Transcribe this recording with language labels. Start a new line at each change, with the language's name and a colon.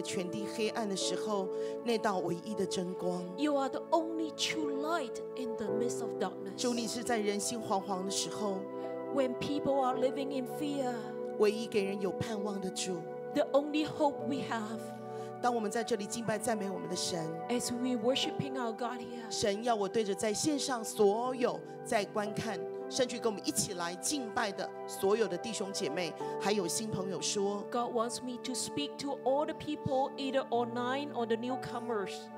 Chinese: 主啊，你是在整个全地黑暗的时候那道唯一的真光。
English: You are the only true light in the midst of darkness.
Chinese: 主，你是在人心惶惶的时候。
English: When people are living in fear.
Chinese: 唯一给人有盼望的主。
English: The only hope we have.
Chinese: 当我们在这里敬拜赞美我们的神。
English: As we worshiping our God here.
Chinese: 神要我对着在线上所有在观看，甚至跟我们一起来敬拜的所有的弟兄姐妹，还有新朋友说。
English: God wants me to speak to all the people, either online or the newcomers.